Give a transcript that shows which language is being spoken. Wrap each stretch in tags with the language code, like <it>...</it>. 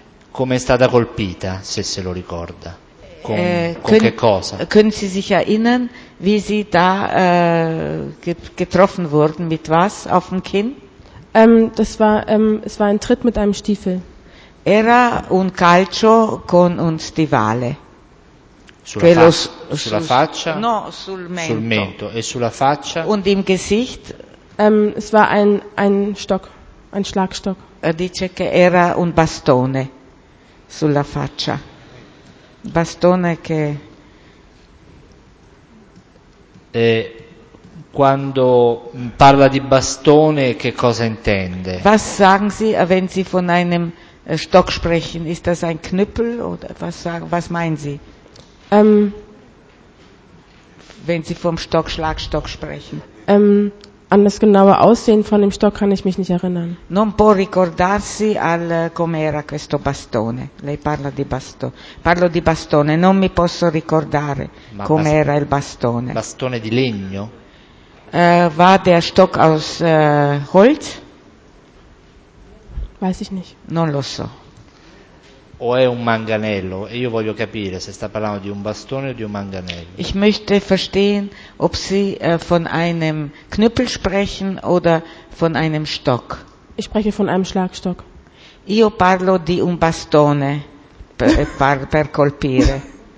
<it>Come è stata colpita, se lo ricorda? Con che cosa?</it> <de>Können Sie sich erinnern, wie Sie da getroffen wurden, mit was auf dem Kinn? Es war ein Tritt mit einem Stiefel.</de> <it>Era un calcio con un stivale. Sulla faccia? No, sul mento. Sul mento e sulla faccia?</it> <de>Und im Gesicht? Es war ein Stock, ein Schlagstock.</de> <it>Dice che era un bastone sulla faccia. Bastone che... E quando parla di bastone che cosa intende?</it> <de>Was sagen Sie, wenn Sie von einem Stock sprechen? Ist das ein Knüppel oder was meinen Sie? Wenn Sie vom Stock Schlagstock sprechen. An das genaue Aussehen von dem Stock kann ich mich nicht erinnern.</de> <it>Non può ricordarsi al com'era questo bastone. Lei parla di bastone. Parlo di bastone, non mi posso ricordare com'era il bastone. Bastone di legno?</it> <de>War der Stock aus Holz? Weiß ich nicht.</de> <it>Non lo so. O è un manganello? E io voglio capire se sta parlando di un bastone o di un manganello.</it> <de>Ich möchte verstehen, ob Sie von einem Knüppel sprechen oder von einem Stock. Ich spreche von einem Schlagstock.</de> <it>Io parlo di un bastone per colpire.</it>